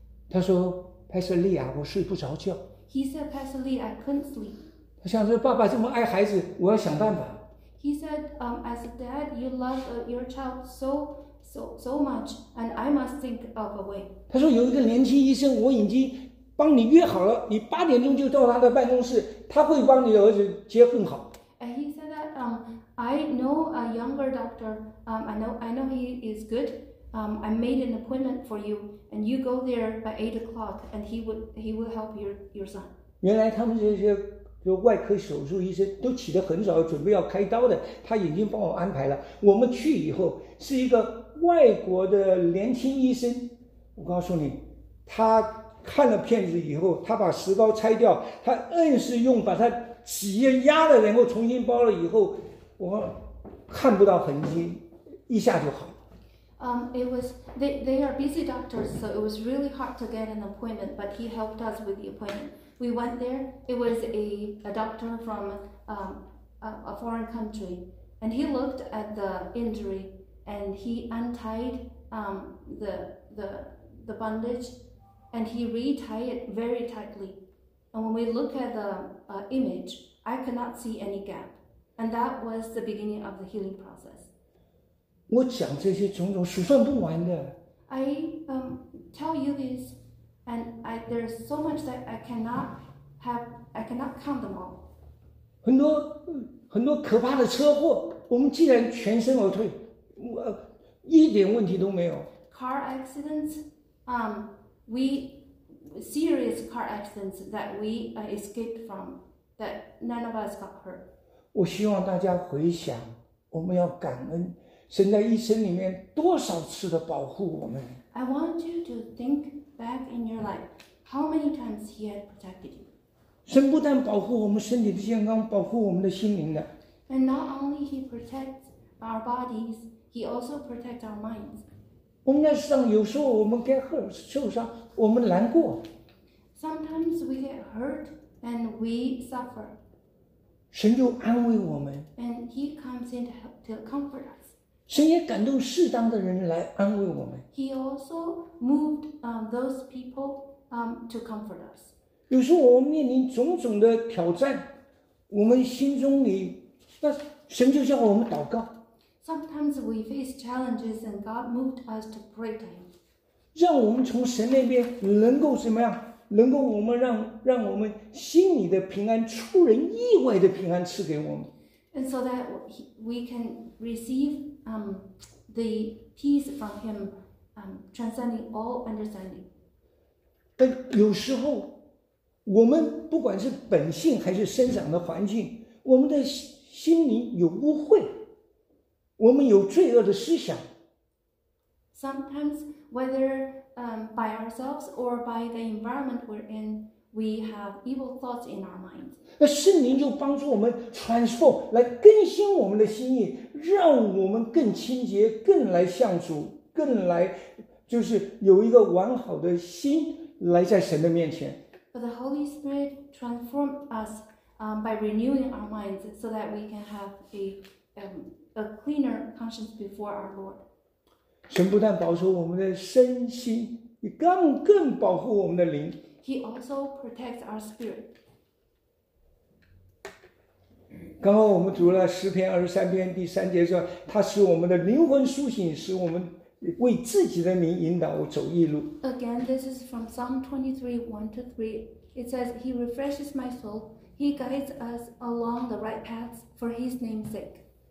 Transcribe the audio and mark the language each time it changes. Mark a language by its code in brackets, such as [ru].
[zh] 他说，派瑟利亚，我睡不着觉。 [en] He said, Pastor Lee, I couldn't sleep. [zh] 他想说爸爸这么爱孩子，我要想办法。 [en] He said, as a dad, you love your child so much, and I must think of a way. [zh] 他说有一个年轻医生，我已经帮你约好了，你八点钟就到他的办公室，他会帮你儿子接更好。 [en] And he said that, I know a younger doctor. I know he is good. I made an appointment for you, and you go there by 8 o'clock, and he will help your son. [zh] 原来他们这些就外科手术医生都起得很早，准备要开刀的，他已经帮我安排了。我们去以后是一个外国的年轻医生，我告诉你，他看了片子以后，他把石膏拆掉，他硬是用把它挤压了，然后重新包了以后，我看不到痕迹，一下就好。 [en] It was they are busy doctors, so it was really hard to get an appointment. But he helped us with the appointment. We went there. It was a doctor from a foreign country, and he looked at the injury and he untied the bandage, and he retied it very tightly. And when we look at the image, I cannot see any gap. And that was the beginning of the healing process. [zh] 我讲这些种种数算不完的。 [en] I tell you this, and there's so much that I cannot count them all. [zh] 很多很多可怕的车祸，我们竟然全身而退，一点问题都没有。 [en] Car accidents, we serious car accidents that we escaped from, that none of us got hurt. [zh] 我希望大家回想，我们要感恩。神在一生里面多少次的保护我们 [en] ？I want you to think back in your life, how many times He has protected you. [zh] 神不但保护我们身体的健康，保护我们的心灵的。 [en] And not only He protects our bodies, He also protects our minds. [zh] 我们在世上有时候我们 [en] get hurt [zh] 受伤，我们难过。 [en] Sometimes we get hurt and we suffer. [zh] 神就安慰我们。 [en] And He comes in to comfort us. [zh] 神也感动适当的人来安慰我们。 [en] He also moved those people to comfort us. [zh] 有时候我们面临种种的挑战，我们心中里，那神就叫我们祷告。 [en] Sometimes we face challenges and God moved us to pray to Him. [zh] 让我们从神那边能够怎么样？能够我们让我们心里的平安，出人意外的平安赐给我们。 [en] And so that we can receive the peace from Him, transcending all understanding. [zh] 但有时候，我们不管是本性还是生长的环境，我们的心灵有污秽，我们有罪恶的思想。 [en] Sometimes, whether by ourselves or by the environment we're in. We have evil thoughts in our minds. [zh] 那圣灵就帮助我们 transform 来更新我们的心意，让我们更清洁，更来向主，更来就是有一个完好的心来在神的面前。 [en] But the Holy Spirit transformed us by renewing our minds so that we can have a cleaner conscience before our Lord. [zh] 神不但保守我们的身心，也更保护我们的灵。 [en] He also protects our spirit. [zh] 刚刚我们读了诗篇二十三篇第三节说，它使我们的灵魂苏醒，使我们为自己的名引导我走义路。 [en] Again, this is from Psalm 23:1-3. It says, "He refreshes my soul; He guides us along the right paths for His name's sake."